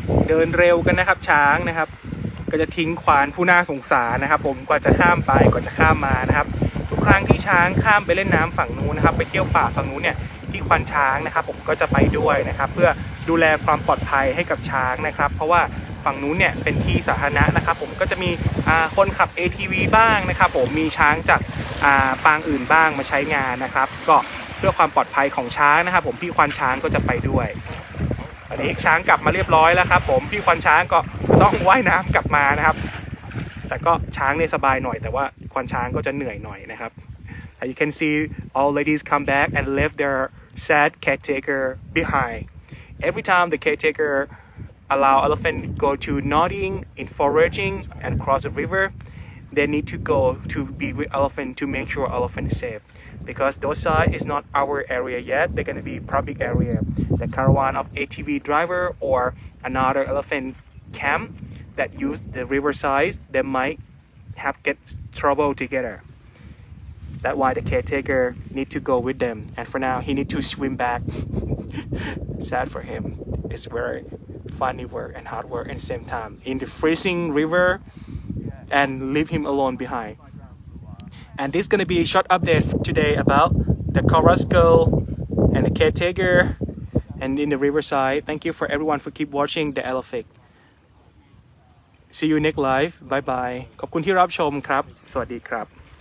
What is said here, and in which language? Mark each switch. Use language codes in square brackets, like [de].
[th] เดินเร็วกันนะครับช้างนะครับก็จะทิ้งขวานผู้น่าสงสารนะครับผมกว่าจะข้ามไปกว่าจะข้ามมานะครับทุกครั้งที่ช้างข้ามไปเล่นน้ำฝั่งนู้นนะครับไปเที่ยวป่าฝั่งนู้นเนี่ยพี่ควานช้างนะครับผมก็จะไปด้วยนะครับเพื่อดูแลความปลอดภัยให้กับช้างนะครับเพราะว่าฝั่งนู้นเนี่ยเป็นที่สาธารณะนะครับผมก็จะมีคนขับ ATV บ้างนะครับผมมีช้างจากปางอื่นบ้างมาใช้งานนะครับก็เพื่อความปลอดภัยของช้างนะครับผมพี่ควานช้างก็จะไปด้วย อันนี้ช้างกลับมาเรียบร้อยแล้วครับผมพี่ควานช้างก็ต้องว่ายน้ำกลับมานะครับแต่ก็ช้างเนี่ยสบายหน่อยแต่ว่าควานช้างก็จะเหนื่อยหน่อยนะครับ [en] You can see all ladies come back and leave their sad caretaker behind. Every time the caretaker allow elephant go to nodding in foraging and cross the river, they need to go to be with elephant to make sure elephant is safe. Because those side is not our area yet, they're gonna be public area. The caravan of ATV driver or another elephant camp, that use the riverside, they might have get trouble together. That's why the caretaker need to go with them. And for now, he need to swim back. Sad for him. It's very funny work and hard work at the same time. In the freezing river and leave him alone behind. And this is going to be a short update today about the Carrasco and the caretaker and in the riverside. Thank you for everyone for keep watching the Elephant. See you next live. Bye bye. [th] ขอบคุณที่รับชมครับ สวัสดีครับ